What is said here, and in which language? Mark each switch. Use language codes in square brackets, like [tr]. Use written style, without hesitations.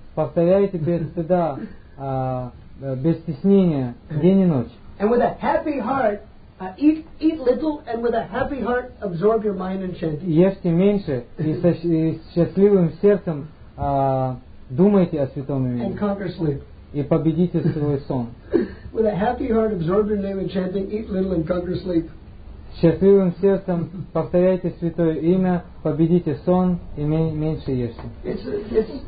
[ru] Повторяйте без стыда, без стеснения, день и ночь. [en] And with a happy heart, eat little, and with a happy heart, absorb your mind in chanting. [ru] Ешьте меньше и с счастливым сердцем думайте о святом имени. [en] And conquer sleep. [ru] И победите свой сон. [en] With a happy heart, absorb your name in chanting. Eat little and conquer sleep. [ru] С счастливым сердцем повторяйте святое имя, победите сон и меньше ешьте.